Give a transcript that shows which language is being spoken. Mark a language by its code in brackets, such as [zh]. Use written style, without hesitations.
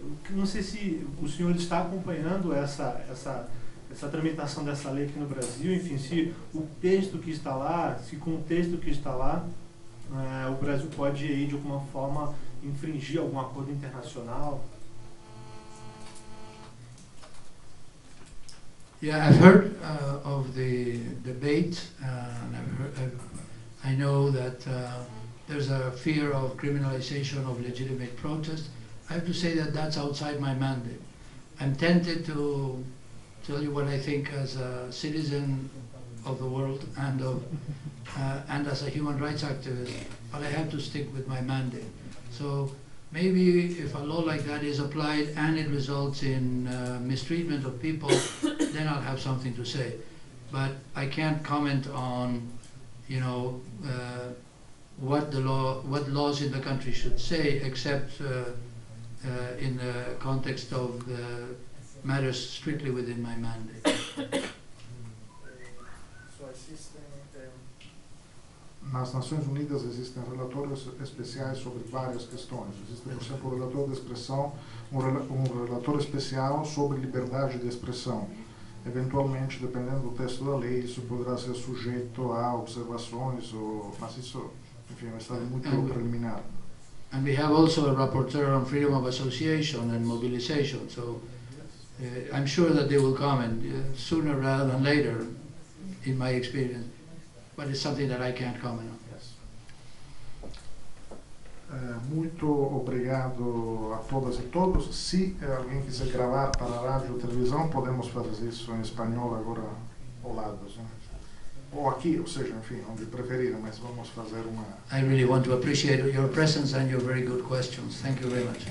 [pt] Não sei se o senhor está acompanhando essa tramitação dessa lei aqui no Brasil, enfim, se com o texto que está lá, o Brasil pode aí, de alguma forma, infringir algum acordo internacional. [en] Yeah, I've heard of the debate, and I know that there's a fear of criminalization of legitimate protest. I have to say that that's outside my mandate. I'm tempted to tell you what I think as a citizen of the world and as a human rights activist, but I have to stick with my mandate. So maybe if a law like that is applied and it results in mistreatment of people, then I'll have something to say. But I can't comment on, you know, what laws in the country should say, except in the context of the matters strictly within my mandate. [pt] So nas Nações Unidas existem relatórios especiais sobre várias questões. Existe, por exemplo, um relator especial sobre liberdade de expressão. Eventualmente, dependendo do texto da lei, isso poderá ser sujeito a observações, mas isso, enfim, é um estado muito preliminar. [en] And we have also a rapporteur on freedom of association and mobilization, so I'm sure that they will comment sooner rather than later, in my experience, but it's something that I can't comment on. Yes. [pt] Muito obrigado a todas e todos. Se alguém quiser gravar para a rádio ou televisão, podemos fazer isso em espanhol agora, ao lado, né? Ou aqui, ou seja, enfim, onde preferir, mas vamos fazer uma... [en] I really want to appreciate your presence and your very good questions. Thank you very much.